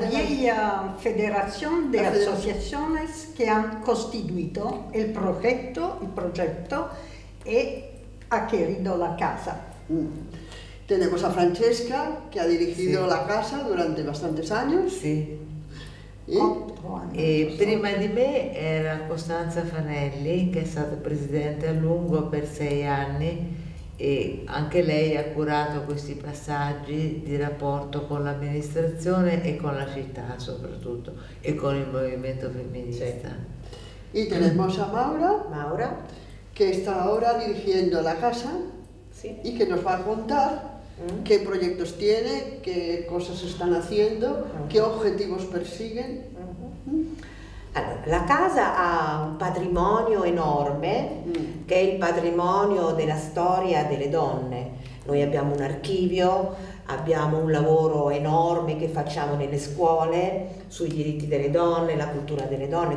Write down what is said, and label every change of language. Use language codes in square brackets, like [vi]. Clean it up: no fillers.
[es] de la vieja Federación de Asociaciones que han constituido el proyecto y ha querido la casa. Tenemos a Francesca, que ha dirigido la casa durante bastantes años. [it] Sì. E prima di me era Costanza Fanelli, che è stata presidente a lungo per 6 anni e anche lei ha curato questi passaggi di rapporto con l'amministrazione e con la città soprattutto e con il movimento femminista. [es] E tenemos a Maura, che sta ora dirigendo la casa e che nos va a contar qué proyectos tiene, qué cosas están haciendo, qué objetivos persiguen. [it] Allora, la casa ha un patrimonio enorme, che è il patrimonio della storia delle donne. Noi abbiamo un archivio, abbiamo un lavoro enorme che facciamo nelle scuole sui diritti delle donne, la cultura delle donne.